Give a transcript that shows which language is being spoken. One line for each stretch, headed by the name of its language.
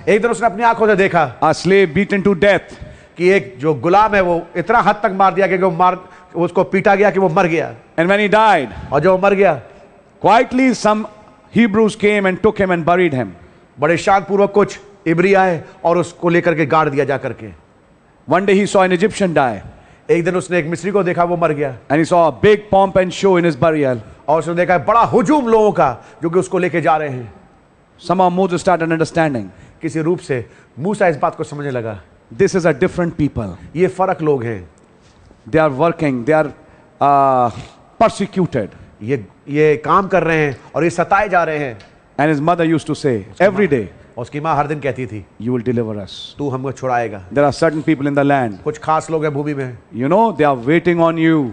Hindi: एक दिन उसने अपनी आँखों से देखा,
English: a slave beaten to death.
Hindi: कि एक जो गुलाम है वो इतना हद तक मार दिया कि उसको पीटा गया कि वो मर गया.
English: And when he died,
Hindi: और जो वो मर गया,
English: quietly some Hebrews came and took him and buried him.
Hindi: बड़े शांत पूर्वक कुछ इब्री आए और उसको लेकर के गाड़ दिया जा करके.
English: One day he saw an Egyptian die.
Hindi: एक दिन उसने एक मिस्री को देखा वो मर गया.
English: And he saw a big pomp and show in his burial.
Hindi: और उसने देखा बड़ा हुजूम लोगों का जो कि उसको लेके जा रहे हैं.
English: Somehow Moses started understanding.
Hindi: किसी रूप से मूसा इस बात को समझने लगा.
English: This is a different people.
Hindi: ये फर्क लोग हैं.
English: They are working. They are persecuted.
Hindi: ये काम कर रहे हैं और ये सताए जा रहे हैं.
English: And his mother used to say every day.
Hindi: उसकी माँ हर दिन कहती थी.
English: You will deliver us.
Hindi: तू हमको छुड़ाएगा.
English: There are certain people in the land.
Hindi: कुछ खास लोग हैं भूमि में.
English: You know they are waiting on you.